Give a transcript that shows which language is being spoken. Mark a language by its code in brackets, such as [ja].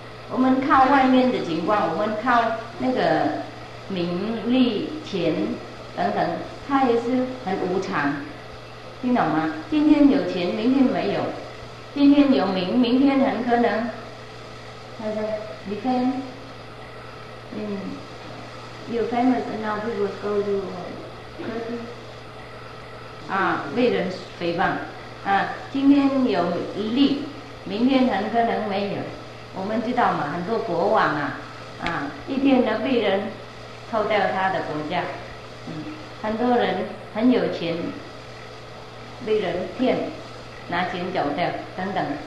[zh] 我们靠外面的情况，我们靠那个名利钱等等，它也是很无常，听懂吗？今天有钱，明天没有；今天有名，明天很可能，他说你看。 [en] You're famous and now people go to prison. [zh] 为人诽谤。今天有利，明天很可能没有。我们知道嘛，很多国王一天呢被人偷掉他的国家。很多人很有钱，被人骗，拿钱走掉等等。